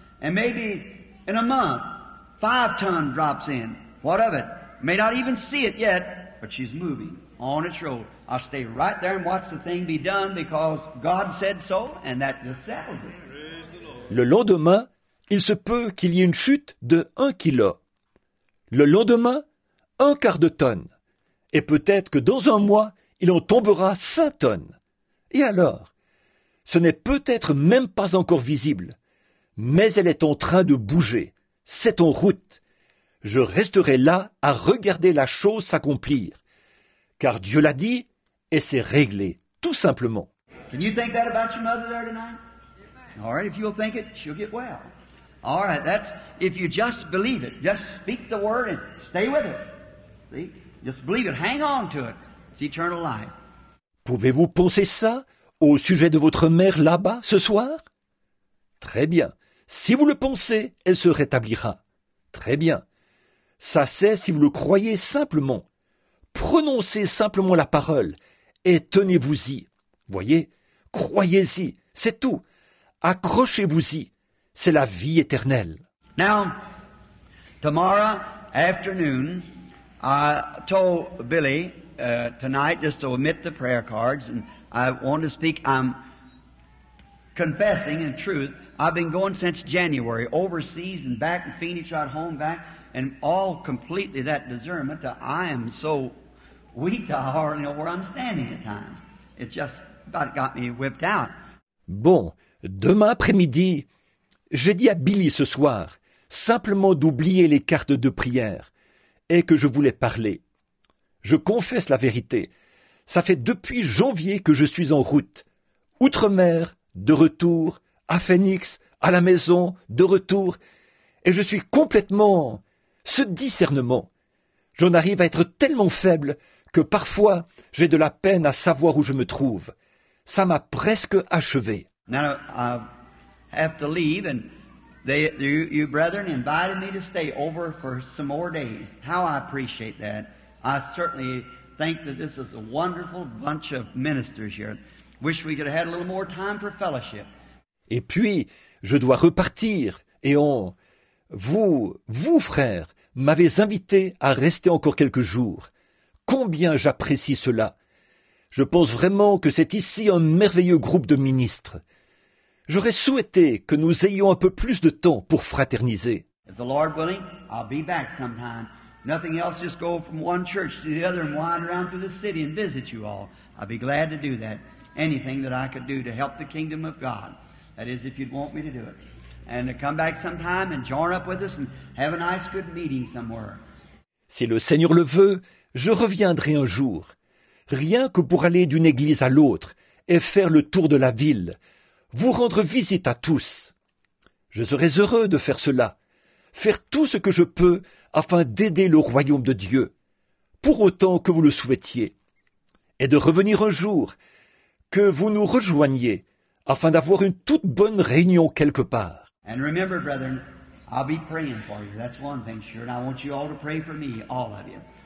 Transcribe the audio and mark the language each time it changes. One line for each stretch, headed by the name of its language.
English: And maybe in a month, 5 tons drops in. What of it? May not even see it yet, but she's moving on its road. I'll stay right there and watch the thing be done because God said so, and that just settles it.
French: Le lendemain, il se peut qu'il y ait une chute de 1 kilo. Le lendemain, 1/4 tonne. Et peut-être que dans un mois, il en tombera 5 tonnes. Et alors, ce n'est peut-être même pas encore visible, mais elle est en train de bouger. C'est en route. Je resterai là à regarder la chose s'accomplir. Car Dieu l'a dit, et c'est réglé, tout simplement.
English: Can you think that about your mother there tonight? All right, if you'll think it, she'll get well. All right, that's, if you just believe it, just speak the word and stay with it. See? Just believe it, hang on to it. It's eternal life.
French: Pouvez-vous penser ça au sujet de votre mère là-bas ce soir? Très bien. Si vous le pensez, elle se rétablira. Très bien. Ça c'est si vous le croyez simplement. Prononcez simplement la parole et tenez-vous-y. Voyez, croyez-y, c'est tout. Accrochez-vous-y, c'est la vie éternelle.
English: Now, tomorrow afternoon, I told Billy tonight just to omit the prayer cards, and I want to speak. I'm confessing in truth. I've been going since January, overseas and back in Phoenix, right home back. And all completely that discernment that I am so weak I hardly know where I'm standing at times. It just about got me whipped out.
French: Bon, demain après-midi, j'ai dit à Billy ce soir simplement d'oublier les cartes de prière et que je voulais parler. Je confesse la vérité. Ça fait depuis janvier que je suis en route. Outre-mer, de retour, à Phoenix, à la maison, de retour. Et je suis complètement... Ce discernement, j'en arrive à être tellement faible que parfois j'ai de la peine à savoir où je me trouve. Ça m'a presque achevé.
English: Now I have to leave, and you brethren invited me to stay over for some more days. How I appreciate that. I certainly think that this is a wonderful bunch of ministers here. Wish we could have had a little more time for fellowship.
French: Et puis, je dois repartir. Et on, vous, frères, m'avez invité à rester encore quelques jours. Combien j'apprécie cela. Je pense vraiment que c'est ici un merveilleux groupe de ministres. J'aurais souhaité que nous ayons un peu plus de temps pour fraterniser.
English: If the Lord willing, I'll be back sometime. Nothing else, just go from one church to the other and wind around through the city and visit you all. I'd be glad to do that. Anything that I could do to help the kingdom of God. That is, if you'd want me to do it. And to come back sometime and join up with us and have a nice good meeting somewhere.
French: Si le Seigneur le veut, je reviendrai un jour. Rien que pour aller d'une église à l'autre et faire le tour de la ville, vous rendre visite à tous. Je serai heureux de faire cela, faire tout ce que je peux afin d'aider le royaume de Dieu, pour autant que vous le souhaitiez, et de revenir un jour, que vous nous rejoigniez, afin d'avoir une toute bonne réunion quelque part.
English: And remember, brethren, I'll be praying for you. That's one thing, sure. And I want you all to pray for me, all of you.